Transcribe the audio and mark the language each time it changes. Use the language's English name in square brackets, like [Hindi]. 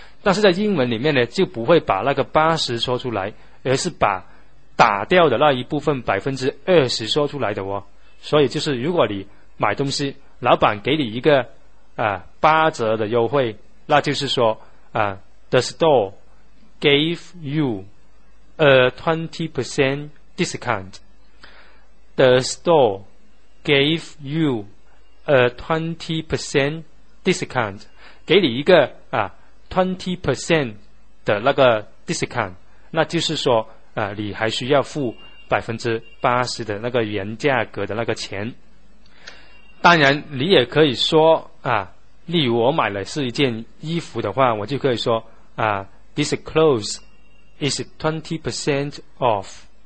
[Chinese] 但是在英文里面呢，就不会把那个80说出来，而是把打掉的那一部分20%说出来的哦。所以就是如果你买东西，老板给你一个啊八折的优惠，那就是说啊 ， [English] the store gave you a 20%。 Discount. The store gave you a 20% discount. [Chinese] 给你一个啊 20% 的那个 discount. 那就是说啊，你还需要付80%的那个原价格的那个钱。当然，你也可以说啊，例如我买了是一件衣服的话，我就可以说啊 ， [English] this clothes is 20% off.